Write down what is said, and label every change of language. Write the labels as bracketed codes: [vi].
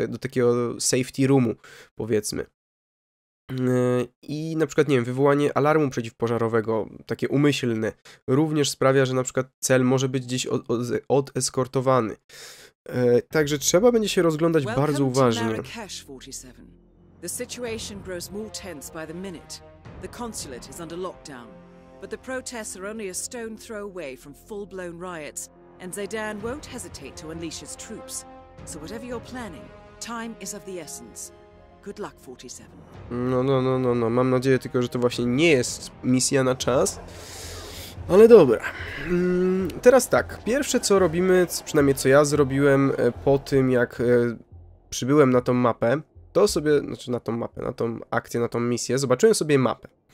[pl] Do takiego safety roomu, powiedzmy. I na przykład, nie wiem, wywołanie alarmu przeciwpożarowego, takie umyślne, również sprawia, że na przykład cel może być gdzieś odeskortowany. Także trzeba będzie się rozglądać bardzo uważnie. [en] Marrakesh, 47. The situation grows more tense by the minute. The consulate is under lockdown, but the protests are only a stone throw away from full-blown riots, and Zedan won't hesitate to unleash his troops. So whatever you're planning, time is of the essence. Good luck, 47. No. [pl] Mam nadzieję tylko, że to właśnie nie jest misja na czas. Ale dobra. Teraz tak. Pierwsze, co robimy, przynajmniej co ja zrobiłem po tym, jak przybyłem na tą mapę, to sobie, znaczy na tą mapę, na tą akcję, na tą misję, zobaczyłem sobie mapę.